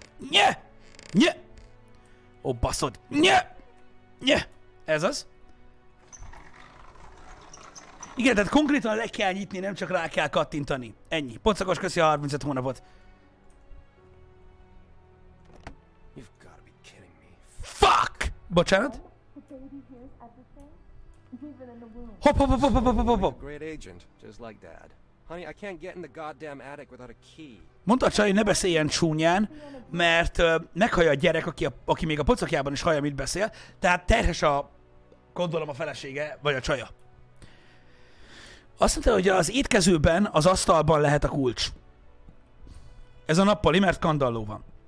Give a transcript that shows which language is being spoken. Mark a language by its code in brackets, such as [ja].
[hu] Nye! Nye! Ó, baszod. Nye! Nye! Ez az. Igen, tehát konkrétan le kell nyitni, nem csak rá kell kattintani. Ennyi. Pocakos, köszi a 35 hónapot. [en] You've gotta be kidding me. Fuck! [hu] Bocsánat. Hop, hop, hop, hop, hop, hop, hop, hop, hop. [en] Great agent, just like dad. Honey, I can't get in the goddamn attic without a key. [hu] Mondta a csaj, hogy ne beszéljen csúnyán, mert meghallja a gyerek, aki még a pocakjában is hallja, mit beszél. Tehát terhes a, gondolom, a felesége, vagy a csaja. Azt mondta, hogy az étkezőben, az asztalban lehet a kulcs. Ez a nappali, mert kandalló van.